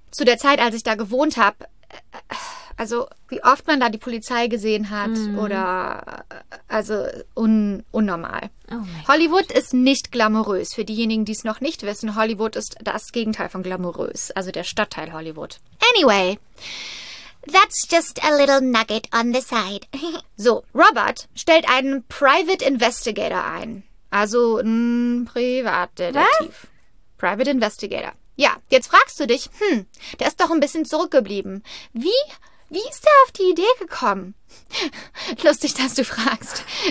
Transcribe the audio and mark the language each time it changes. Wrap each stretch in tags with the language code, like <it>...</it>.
<de>Zu der Zeit, als ich da gewohnt habe, also wie oft man da die Polizei gesehen hat oder, also unnormal. Oh Hollywood Gott. Ist nicht glamourös. Für diejenigen, die es noch nicht wissen, Hollywood ist das Gegenteil von glamourös, also der Stadtteil Hollywood.</de> <en>Anyway, that's just a little nugget on the side.</en> <de>So, Robert stellt einen Private Investigator ein. Also ein Privatdetektiv. Was?</de> <en>Private Investigator.</en> <de>Ja, jetzt fragst du dich, der ist doch ein bisschen zurückgeblieben. Wie ist er auf die Idee gekommen? Lustig, dass du fragst.</de>